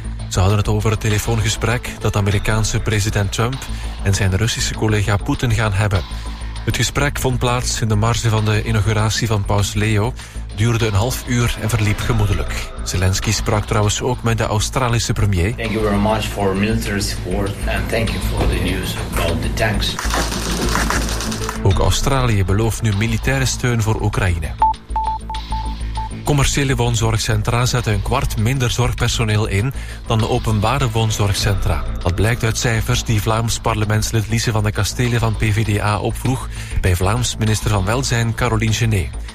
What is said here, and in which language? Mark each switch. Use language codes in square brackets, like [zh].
[nl] Ze hadden het over het telefoongesprek dat Amerikaanse president Trump en zijn Russische collega Poetin gaan hebben. Het gesprek vond plaats in de marge van de inauguratie van paus Leo, duurde een half uur en verliep gemoedelijk. Zelensky sprak trouwens ook met de Australische premier. [en] Thank you very much for military support and thank you for the news about the tanks. [nl] Ook Australië belooft nu militaire steun voor Oekraïne. Commerciële woonzorgcentra zetten een kwart minder zorgpersoneel in dan de openbare woonzorgcentra. Dat blijkt uit cijfers die Vlaams parlementslid Lise van de Kastelen van PvdA opvroeg bij Vlaams minister van Welzijn Caroline Genet.